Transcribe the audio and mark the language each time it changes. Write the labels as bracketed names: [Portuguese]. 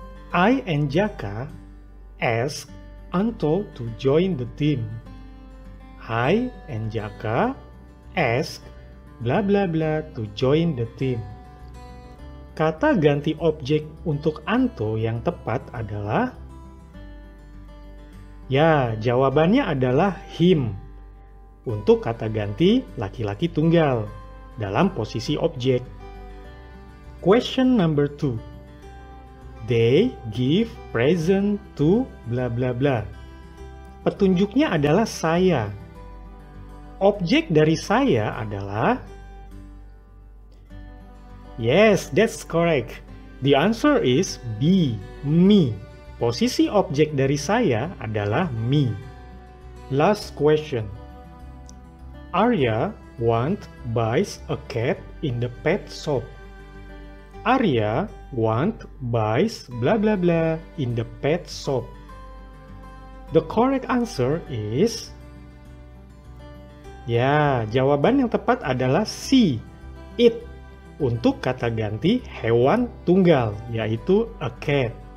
[English] I and Jaka ask Anto to join the team. I and Jaka ask bla bla bla to join the team. [Indonesian] Kata ganti objek untuk Anto yang tepat adalah, ya, jawabannya adalah him untuk kata ganti laki-laki tunggal dalam posisi objek. [English] Question number two. They give present to bla bla bla. [Indonesian] Petunjuknya adalah saya. Objek dari saya adalah, [English] yes, that's correct. The answer is B, me. [Indonesian] Posisi objek dari saya adalah me. [English] Last question. Arya want buys a cat in the pet shop. Arya want buys blah blah blah in the pet shop. The correct answer is, [Indonesian] ya, jawaban yang tepat adalah C, it, untuk kata ganti hewan tunggal, yaitu a cat.